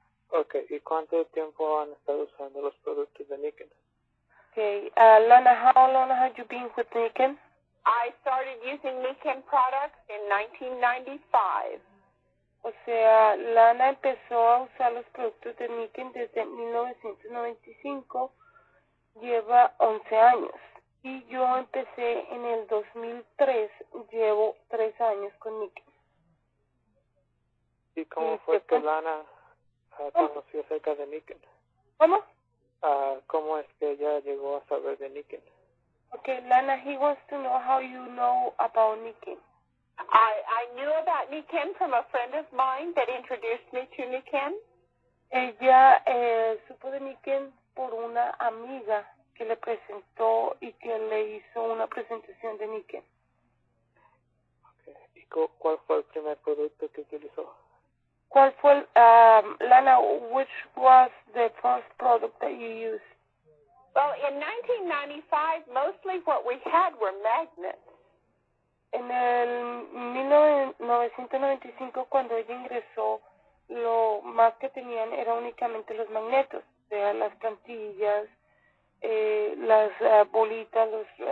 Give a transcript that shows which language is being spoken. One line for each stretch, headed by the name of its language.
Spanish: Okay, ¿y cuánto tiempo han estado usando los productos de Niken?
English: Okay, Lana, how long have you been with Niken? I started using Niken products in 1995.
Spanish: O sea, Lana empezó a usar los productos de Niken desde 1995, lleva 11 años. Y yo empecé en el 2003, llevo 3 años con Niken. ¿Y cómo fue que Lana conoció acerca de Niken? ¿Cómo? ¿Cómo es que ella llegó a saber de Niken?
English: Okay, Lana, he wants to know how you know about Niken. I knew about Niken from a friend of mine that introduced me to Niken.
Spanish: Ella supo de Niken por una amiga que le presentó y que le hizo una presentación de Niken. Okay. ¿Y cuál fue el primer producto que utilizó? ¿Cuál fue,
English: Lana, which was the first product that you used? Well, in 1995, mostly what we had were magnets.
Spanish: En el 1995, cuando ella ingresó, lo más que tenían era únicamente los magnetos, o sea, las plantillas, las bolitas, los...